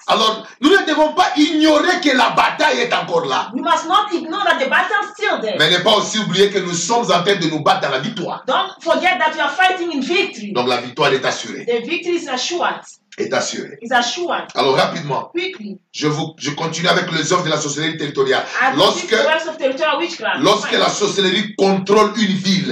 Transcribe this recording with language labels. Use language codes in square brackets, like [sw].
[fr] Alors, nous ne devons pas ignorer que la bataille est encore là. [en] You must not ignore that the battle is still there. [fr] Mais ne pas aussi oublier que nous sommes en train de nous battre dans la victoire. [en] Don't forget that you are fighting in victory. [fr] Donc la victoire est assurée. [en] The victory is assured. [fr] Est assurée. [en] Is assured. [fr] Alors rapidement. [en] Quickly. [fr] Je continue avec les œuvres de la sorcellerie territoriale. Lorsque la sorcellerie contrôle une ville.